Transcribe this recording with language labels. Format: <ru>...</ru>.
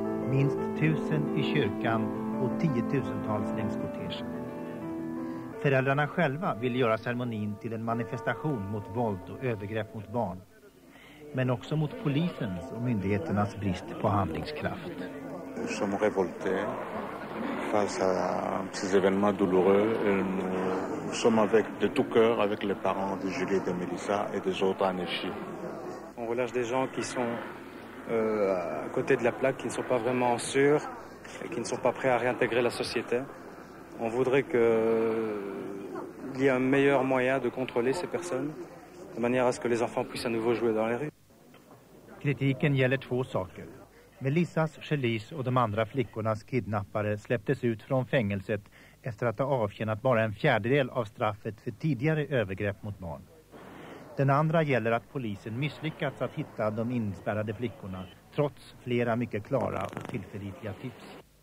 <sv>Minst 1000 i kyrkan och 10 000-tals längs kortegen. Föräldrarna själva ville göra ceremonin till en manifestation mot våld och övergrepp mot barn. Men också mot polisens och myndigheternas brist på handlingskraft.</sv> <fr>Nous sommes révoltés face à ces événements douloureux. Nous sommes avec de tout cœur avec les parents de Julie, de Melissa et des autres anéchis. On relâche des gens qui sont à côté de la plaque, qui ne sont pas vraiment sûrs et qui ne sont pas prêts à réintégrer la société. On voudrait qu'il y ait un meilleur moyen de contrôler ces personnes de manière à ce que les enfants puissent à nouveau jouer dans les rues.</fr> <sv>Kritiken gäller 2 saker. Melissas, Chelis och de andra flickornas kidnappare släpptes ut från fängelset efter att ha avtjänat bara 1/4 av straffet för tidigare övergrepp mot barn. Den andra gäller att polisen misslyckats att hitta de inspärrade flickorna trots flera mycket klara och tillförlitliga tips.</sv>